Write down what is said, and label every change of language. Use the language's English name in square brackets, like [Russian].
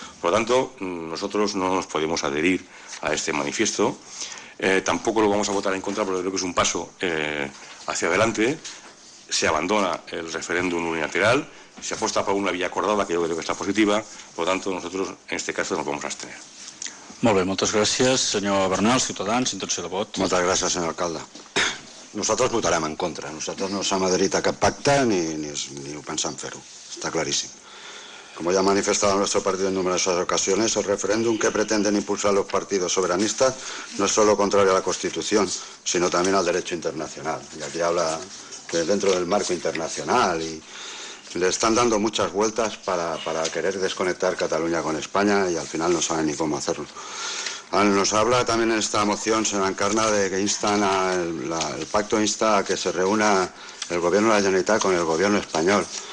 [Spanish] Por lo tanto, nosotros no nos podemos adherir a este manifiesto. Tampoco lo vamos a votar en contra, porque creo que es un paso hacia adelante. Se abandona el referéndum unilateral, se apuesta por una vía acordada, que yo creo que está positiva. Por lo tanto, nosotros en este caso nos vamos a abstener. [Catalan] Molt bé, moltes gràcies, senyor Bernal, Ciutadans, intenció de vot. Moltes gràcies, senyor alcalde. Nosaltres votarem en contra. Nosaltres no s'ha adherit a cap pacte ni ho pensem fer-ho. Està claríssim. Com ja ha manifestat el nostre partit en numeroses ocasions, el referèndum que [Spanish] pretenden [Catalan] impulsar els partits soberanistes no és [Spanish] solo [Catalan] contrari a la Constitució, sinó també al dret internacional. [Spanish] I aquí habla que dentro del marco internacional y le están dando muchas vueltas para querer desconectar Cataluña con España y al final no saben ni cómo hacerlo. Nos habla también en esta moción, señora Encarna, de que instan el pacto insta a que se reúna el gobierno de la Generalitat con el gobierno español.